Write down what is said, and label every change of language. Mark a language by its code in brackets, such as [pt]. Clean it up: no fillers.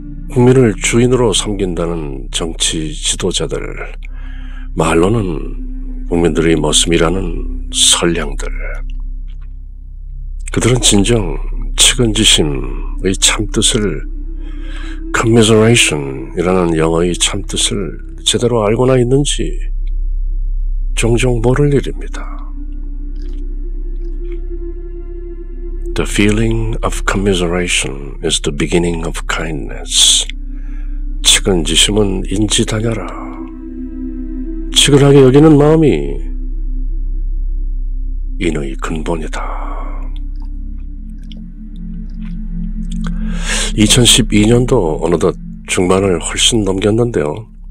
[ko] 국민을 주인으로 섬긴다는 정치 지도자들, 말로는 국민들의 머슴이라는 선량들, 그들은 진정 측은지심의 참뜻을, commiseration이라는 영어의 참뜻을 제대로 알고나 있는지 종종 모를 일입니다. [en] The feeling of commiseration is the beginning of kindness. [ko] 측은지심은 인지다녀라. 측은하게 여기는 마음이 인의 근본이다. 2012년도 어느덧 중반을 훨씬 넘겼는데요.